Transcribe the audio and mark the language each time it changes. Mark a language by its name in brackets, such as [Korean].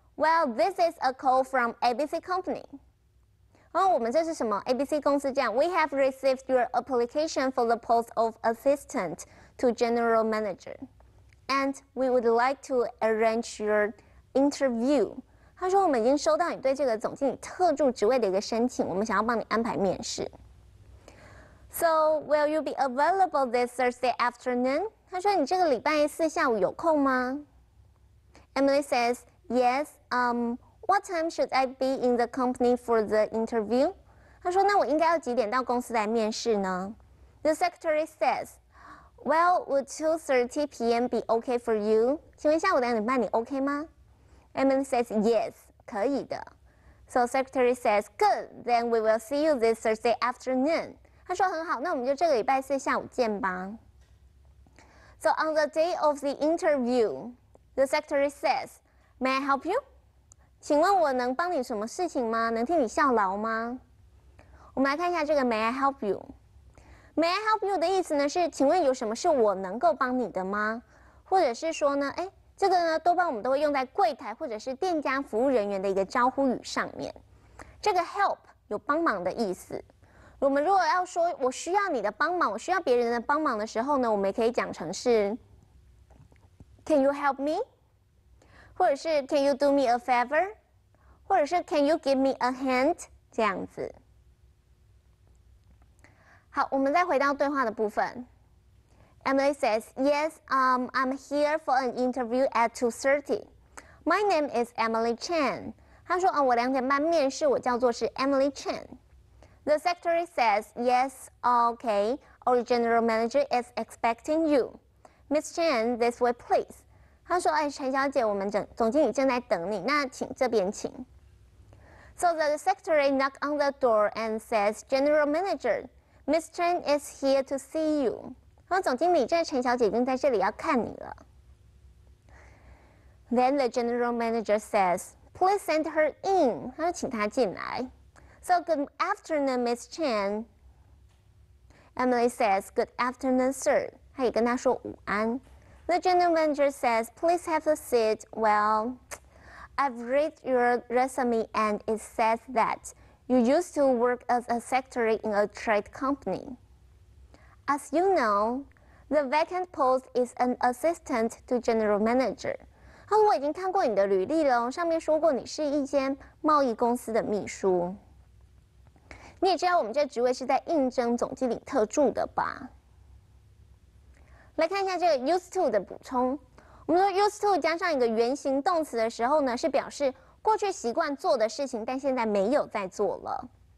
[English] Well, this is a call from ABC Company. [Chinese] 哦，我们这是什么 ？ABC 公司这样。 [English] We have received your application for the post of assistant to general manager, and we would like to arrange your interview. [Chinese] 他说我们已经收到你对这个总经理特助职位的一个申请，我们想要帮你安排面试。 [English] So, will you be available this Thursday afternoon? [Chinese] 他说你这个礼拜四下午有空吗？ [English] Emily says, yes, what time should I be in the company for the interview? [Chinese] 他说那我应该要几点到公司来面试呢？ [English] The secretary says, well, would 2:30 p.m. be okay for you? [Chinese] 请问下午两点半你 OK 吗？ [English] Emily says, yes, [Chinese] 可以的。 [English] So, secretary says, good, then we will see you this Thursday afternoon. [Chinese] 他说很好，那我们就这个礼拜四下午见吧。 [English] So on the day of the interview, the secretary says, "May I help you?" [Chinese] 请问我能帮你什么事情吗？能替你效劳吗？我们来看一下这个 [English] "May I help you?" "May I help you?" [Chinese] 的意思呢是，请问有什么是我能够帮你的吗？或者是说呢，哎，这个呢多半我们都会用在柜台或者是店家服务人员的一个招呼语上面。这个 "help" 有帮忙的意思。我们如果要说我需要你的帮忙，我需要别人的帮忙的时候呢，我们也可以讲成是 [English] Can you help me? [Chinese] 或者是 [English] Can you do me a favor? [Chinese] 或者是 [English] Can you give me a hand? [Chinese] 这样子。好，我们再回到对话的部分。 [English] Emily says, Yes, I'm here for an interview at 2:30. My name is Emily Chen. [Chinese] 她说、哦、我两点半面试，我叫做是 Emily Chen. [English] The secretary says, yes, okay, our general manager is expecting you. Miss Chen, this way, please. [Chinese] 他说、哎、陈小姐，我们总经理正在等你，那请这边请。 [English] So the secretary knocked on the door and says, general manager, Miss Chen is here to see you. [Chinese] 他说总经理，这陈小姐已经在这里要看你了。 [English] Then the general manager says, please send her in. [Chinese] 他说请她进来。 [English] So, good afternoon, Miss Chen. Emily says, good afternoon, sir. [Chinese] 她也跟她说午安。 [English] The general manager says, please have a seat. Well, I've read your resume and it says that you used to work as a secretary in a trade company. As you know, the vacant post is an assistant to general manager. [Chinese] 她说我已经看过你的履历了，上面说过你是一间贸易公司的秘书。你也知道我们这职位是在应征总经理特助的吧？来看一下这个 used to 的补充。我们说 used to 加上一个原形动词的时候呢，是表示过去习惯做的事情，但现在没有在做了。